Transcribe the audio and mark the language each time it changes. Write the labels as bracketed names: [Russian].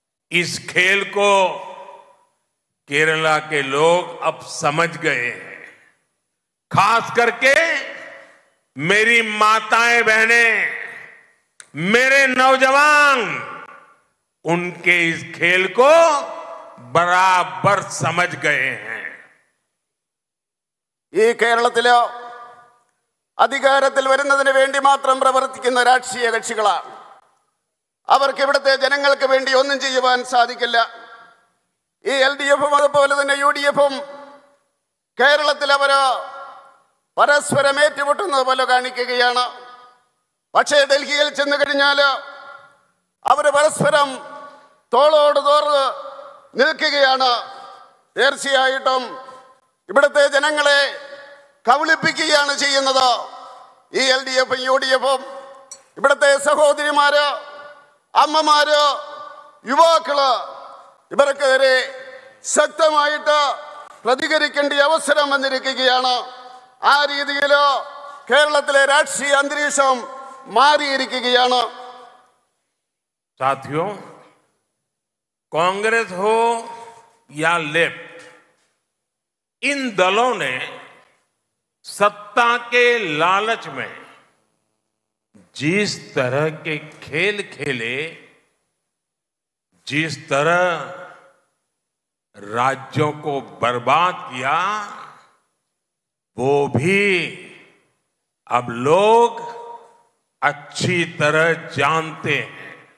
[Hindi] इस खेल को केरला के लोग अब समझ गए हैं, खास करके मेरी माताएं बहनें, मेरे नौजवान, उनके इस खेल को बराबर समझ गए हैं। [Malayalam] ഈ കേരളത്തില് അധികാരത്തിൽ വരുന്നതിന് വേണ്ടി മാത്രം പ്രവർത്തിക്കുന്ന രാഷ്ട്രീയ കക്ഷികളാണ്. അവർക്ക് ഇവിടുത്തെ ജനങ്ങൾക്ക് വേണ്ടി ഒന്നും ചെയ്യുവാൻ സാധിക്കില്ല. ഈ എൽ ഡി എഫും അതുപോലെ തന്നെ യു ഡി എഫും കേരളത്തിൽ അവർ പരസ്പരം ഏറ്റുമുട്ടുന്നത് പോലെ കാണിക്കുകയാണ്. പക്ഷേ ഡൽഹിയിൽ ചെന്നു കഴിഞ്ഞാൽ അവർ പരസ്പരം തോളോട് തോർ നിൽക്കുകയാണ്. തീർച്ചയായിട്ടും ഇവിടുത്തെ ജനങ്ങളെ കബളിപ്പിക്കുകയാണ് ചെയ്യുന്നത് ഈ എൽ ഡി എഫും യു ഡി എഫും. ഇവിടുത്തെ സഹോദരിമാര്, അമ്മമാര്, യുവാക്കള് ഇവർക്കെതിരെ ശക്തമായിട്ട് പ്രതികരിക്കേണ്ട അവസരം വന്നിരിക്കുകയാണ്. ആ രീതിയിൽ കേരളത്തിലെ രാഷ്ട്രീയ അന്തരീക്ഷം മാറിയിരിക്കുകയാണ്. [Hindi] സാധ്യോ, കോൺഗ്രസ് ഹോ യാ ലെഫ്റ്റ്, इन दलों ने सत्ता के लालच में जिस तरह के खेल खेले, जिस तरह राज्यों को बर्बाद किया, वो भी अब लोग अच्छी तरह जानते हैं।